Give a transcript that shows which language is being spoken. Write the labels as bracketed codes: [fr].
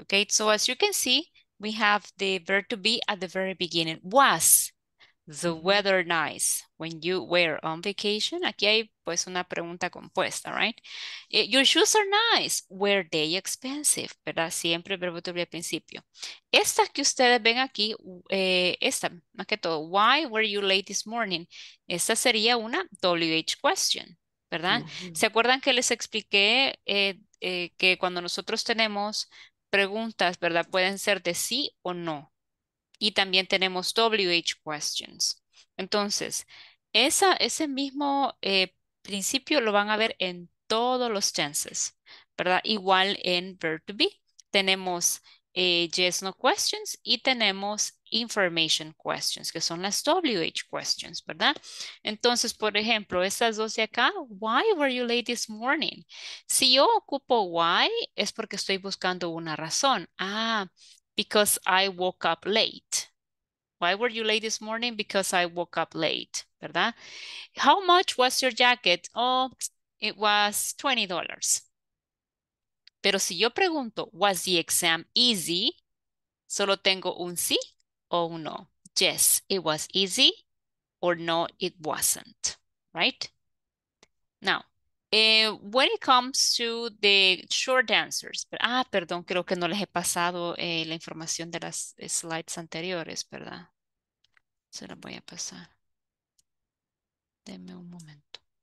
[en] Okay. So as you can see, we have the verb to be at the very beginning. Was. the weather nice when you were on vacation? [es] Aquí hay pues una pregunta compuesta, right? [en] Your shoes are nice. Were they expensive? [es] ¿Verdad? Siempre el verbo to be al principio. Esta que ustedes ven aquí, esta, más que todo, [en] why were you late this morning? [es] Esta sería una WH question, ¿verdad? Mm-hmm. ¿Se acuerdan que les expliqué que cuando nosotros tenemos preguntas, ¿verdad? Pueden ser de sí o no. Y también tenemos WH questions. Entonces, ese mismo principio lo van a ver en todos los tenses, ¿verdad? Igual en verb to be. Tenemos yes, no questions y tenemos information questions, que son las WH questions, ¿verdad? Entonces, por ejemplo, estas dos de acá, [en] why were you late this morning? [es] Si yo ocupo why, es porque estoy buscando una razón. [en] Ah, because I woke up late. Why were you late this morning? Because I woke up late, ¿verdad? How much was your jacket? Oh, it was $20. [es] Pero si yo pregunto, [en] was the exam easy? [es] Solo tengo un sí o un no. [en] Yes, it was easy, or no, it wasn't, right? Now, when it comes to the short answers, [es] ah, perdón, creo que no les he pasado la información de las slides anteriores, ¿verdad? Se las voy a pasar. Denme un momento.